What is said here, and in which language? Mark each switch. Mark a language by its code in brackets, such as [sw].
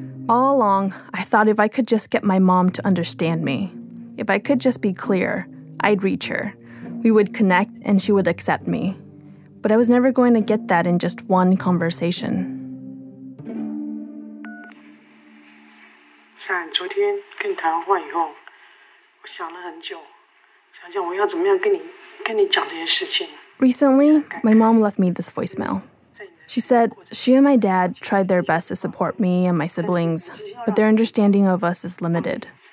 [en] All along, I thought if I could just get my mom to understand me, if I could just be clear, I'd reach her. We would connect and she would accept me. But I was never going to get that in just one conversation. [zh] 像昨天跟你谈完话以后，我想了很久，想想我要怎么样跟你讲这些事情。 [en] Recently, my mom left me this voicemail. She said she and my dad tried their best to support me and my siblings, but their understanding of us is limited.